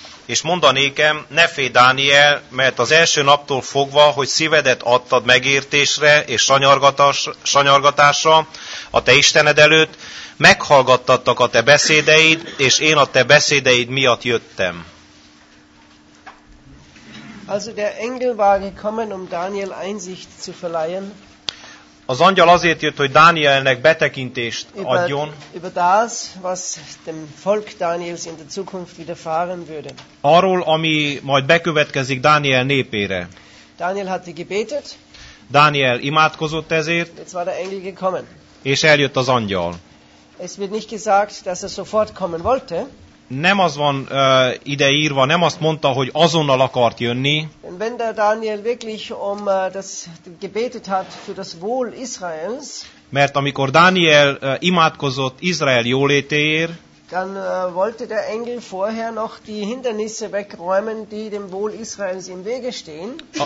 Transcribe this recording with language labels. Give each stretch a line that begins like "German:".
Hungarian: És mondanékem, ne félj, Dániel, mert az első naptól fogva, hogy szívedet adtad megértésre és sanyargatásra a te Istened előtt, meghallgattattak a te beszédeid, és én a te beszédeid miatt jöttem.
German: Also der Engel war gekommen, um Daniel Einsicht zu verleihen.
Hungarian: Az angyal azért jött, hogy Dánielnek betekintést adjon.
German: Über das, was dem Volk Daniels in der Zukunft widerfahren würde.
Hungarian: Arról, ami majd bekövetkezik Dániel népére.
German: Daniel hatte gebetet.
Hungarian: Dániel imádkozott ezért.
German: Jetzt war der Engel gekommen.
Hungarian: És eljött az angyal.
German: Es wird nicht gesagt, dass sofort kommen wollte.
Hungarian: Nem az van ide írva, nem azt mondta, hogy azonnal akart jönni.
German: Wenn der Daniel wirklich um das gebetet hat für das Wohl Israels,
Hungarian: mert amikor Daniel imádkozott Izrael jólétéért,
German: dann wollte der Engel vorher noch die Hindernisse wegräumen, die dem Wohl Israels im Wege stehen.